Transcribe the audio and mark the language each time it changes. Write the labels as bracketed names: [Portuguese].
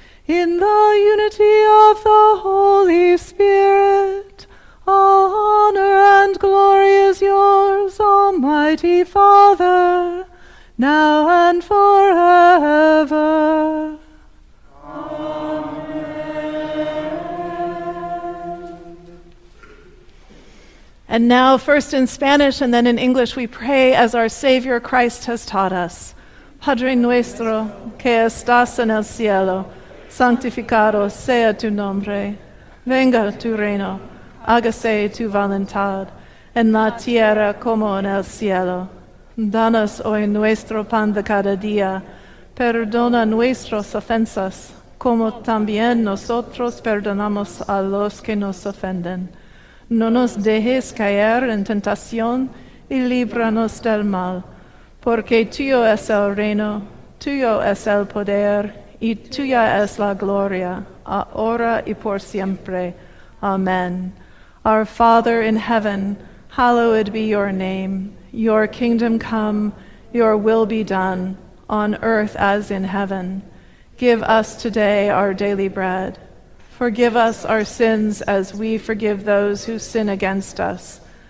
[English] in the unity of the Holy Spirit, all honor and glory is yours, Almighty Father, now and forever. And now, first in Spanish and then in English, we pray as our Savior Christ has taught us. [Spanish] Padre nuestro, que estás en el cielo, santificado sea tu nombre. Venga tu reino, hágase tu voluntad, en la tierra como en el cielo. Danos hoy nuestro pan de cada día. Perdona nuestras ofensas, como también nosotros perdonamos a los que nos ofenden. No nos dejes caer en tentación y líbranos del mal, porque tuyo es el reino, tuyo es el poder y tuya es la gloria, ahora y por siempre. Amen. [English] Our Father in heaven, hallowed be your name. Your kingdom come, your will be done, on earth as in heaven. Give us today our daily bread. Forgive us our sins as we forgive those who sin against us.